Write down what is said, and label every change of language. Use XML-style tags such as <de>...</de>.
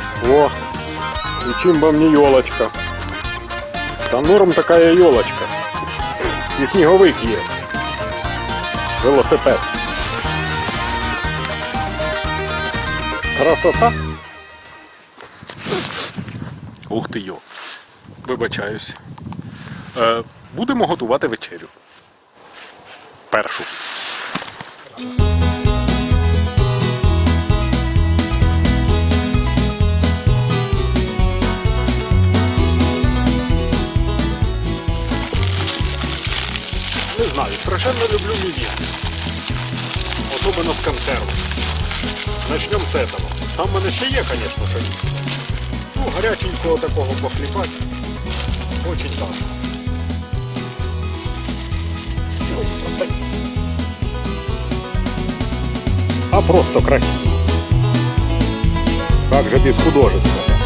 <uk>О! І чим вам не ёлочка? Та норм така ёлочка. І сніговик є. Велосипед. Красота. Ух ти йо. Вибачаюсь. Будемо готувати вечерю. Першу. Не знаю, страшенно люблю мюзикл.</uk> <ru>Особенно з консерву. Начнем з этого.</ru> <uk>Там в мене ще є, звісно, що є. Ну, гаряченького такого похліпати. Очень важко.</uk> <ru>А просто красиво. Как же без художества.</ru>